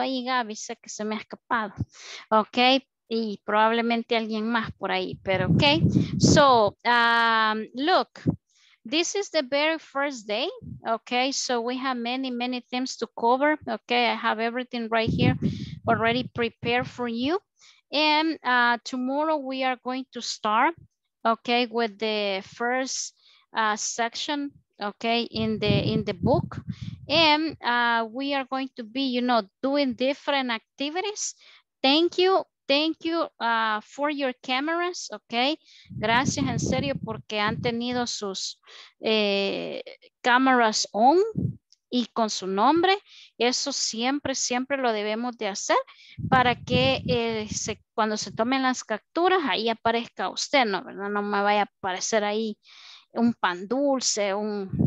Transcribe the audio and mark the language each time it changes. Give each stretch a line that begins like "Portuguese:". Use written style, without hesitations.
Spanish: Ahí Gaby sé que se me ha escapado. Okay, y probablemente alguien más por ahí, pero okay.
English: So look, this is the very first day. Okay, so we have many, many things to cover. Okay, I have everything right here already prepared for you. And tomorrow we are going to start, okay, with the first section, okay, in the book. And we are going to be, you know, doing different activities. Thank you. Thank you for your cameras, okay?
Spanish: Gracias, en serio, porque han tenido sus cameras on. Y con su nombre, eso siempre, siempre lo debemos de hacer para que cuando se tomen las capturas, ahí aparezca usted, ¿no? ¿Verdad? No me vaya a aparecer ahí un pan dulce, un